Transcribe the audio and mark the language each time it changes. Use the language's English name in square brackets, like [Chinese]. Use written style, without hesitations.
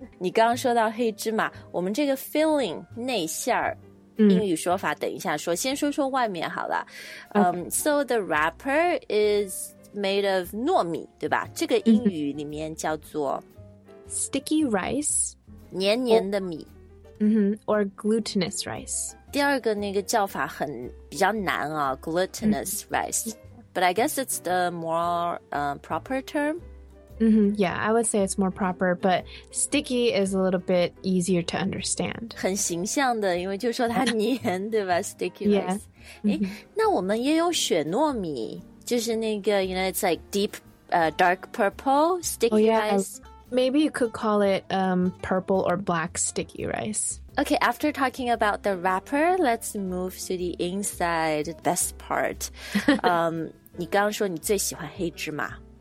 [Chinese] 你刚刚说到黑芝麻，我们这个 filling 内馅儿，英语说法，等一下说，先说说外面好了。 [English] Okay. So the wrapper is made of [Chinese] 糯米，对吧？这个英语里面叫做 [English] sticky rice。 [Chinese] 黏黏的米、 [English] or glutinous rice [Chinese] 第二个那个叫法很比较难啊 [English] glutinous、rice but I guess it's the more、proper term、 yeah I would say it's more proper but sticky is a little bit easier to understand [Chinese] 很形象的因为就说它黏对吧 [English] sticky rice、 yeah. [Chinese] 诶、那我们也有雪糯米就是那个 [English] you know it's like deep、dark purple sticky、 oh, yeah. rice Maybe you could call it purple or black sticky rice. Okay, after talking about the wrapper, let's move to the inside best part. [Chinese] 你刚刚说你最喜欢黑芝麻。